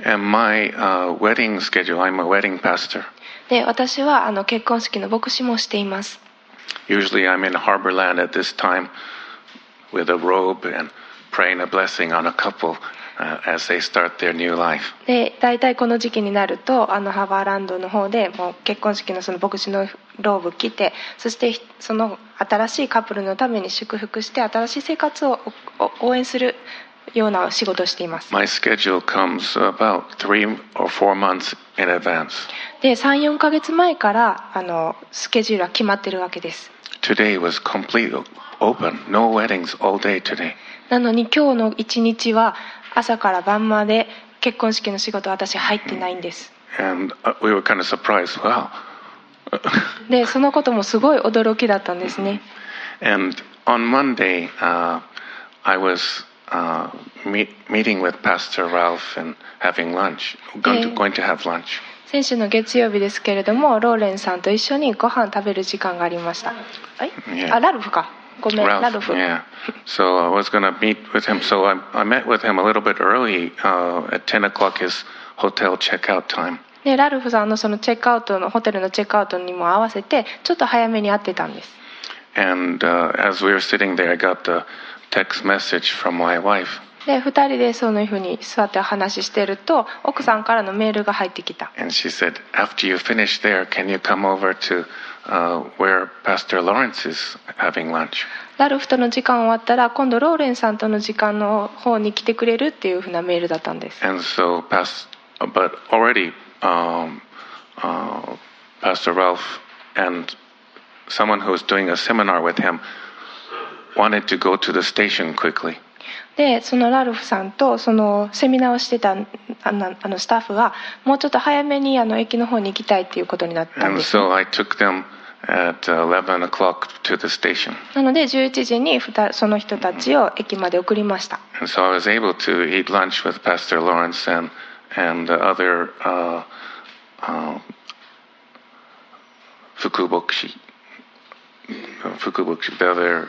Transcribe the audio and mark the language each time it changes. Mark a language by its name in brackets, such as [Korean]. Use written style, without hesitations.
[English] And my、wedding schedule, I'm a wedding pastor. [Japanese] で私はあの結婚式の牧師もしています。 [English] Usually I'm in Harborland at this time with a robe and praying a blessing on a couple。 As they start their new life. [Japanese] で、大体この時期になるとあのハーバーランドの方でもう結婚式のその牧師のローブ着て、そしてその新しいカップルのために祝福して新しい生活を応援するような仕事をしています。 [English] My schedule comes about 3 or 4 months in advance. [Japanese] で、3、4ヶ月前からあのスケジュールは決まってるわけです。 [English] Today was completely open. No weddings all day today. [Japanese] なのに今日の一日は朝から晩まで結婚式の仕事は私入ってないんです。 [English] And we were kind of surprised. Wow. [Japanese] でそのこともすごい驚きだったんですね。 [English] And on Monday, I was, meeting with Pastor Ralph and having lunch, going to have lunch. [Japanese] 先週の月曜日ですけれどもローレンさんと一緒にご飯食べる時間がありました。 [English] Yeah. [Japanese] あ、ラルフか、ごめん、ラルフ、 [English] yeah. So I was going to meet with him. So I met with him a little bit early, at 10 o'clock his hotel checkout time. [Japanese] ね、ラルフさんのそのチェックアウトのホテルのチェックアウトにも合わせてちょっと早めに会ってたんです。 [English] And, as we were sitting there, I got the text message from my wife. [Japanese] で、二人でそのふうに座って話してると奥さんからのメールが入ってきた。 [English] And she said, after you finish there, can you come over to、where Pastor Lawrence is having lunch? [Japanese] ラルフとの時間終わったら今度ローレンさんとの時間の方に来てくれるっていうふうなメールだったんです。 [English] And so but already Pastor Ralph and someone who was doing a seminar with him wanted to go to the station quickly. [Japanese] でそのラルフさんとそのセミナーをしてたあのスタッフはもうちょっと早めにあの駅の方に行きたいっていうことになったんです。 [English] And so I took themAt 11 o'clock to the station. [Japanese] なので11時にその人たちを駅まで送りました。 [English] And so I was able to eat lunch with Pastor Lawrence and the other Fukuboshi, the other